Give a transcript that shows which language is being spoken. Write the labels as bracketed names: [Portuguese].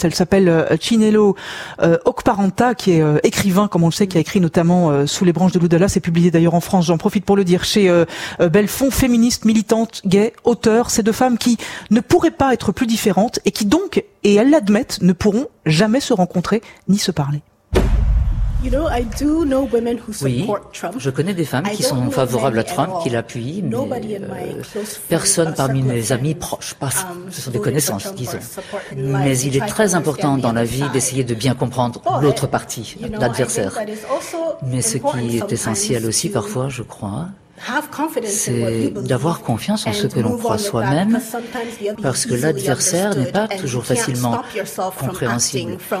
[French] Elle s'appelle Chinelo Okparanta, qui est écrivain, comme on le sait, qui a écrit notamment Sous les branches de l'Oudala. C'est publié d'ailleurs en France, j'en profite pour le dire, chez Belfond, féministe, militante, gay, auteur. C'est deux femmes qui ne pourraient pas être plus différentes et qui donc, et elles l'admettent, ne pourront jamais se rencontrer ni se parler. [English] You know, I do know women who support Trump. [French] Je connais des femmes qui sont favorables à Trump, qui l'appuient, mais personne parmi mes amis proches, pas ça. Ce sont des connaissances, disons. Mais il est très important dans la vie d'essayer de bien comprendre l'autre partie, l'adversaire. Mais ce qui est essentiel aussi parfois, je crois, c'est d'avoir confiance en ce que l'on croit soi-même, parce que l'adversaire n'est pas toujours facilement compréhensible.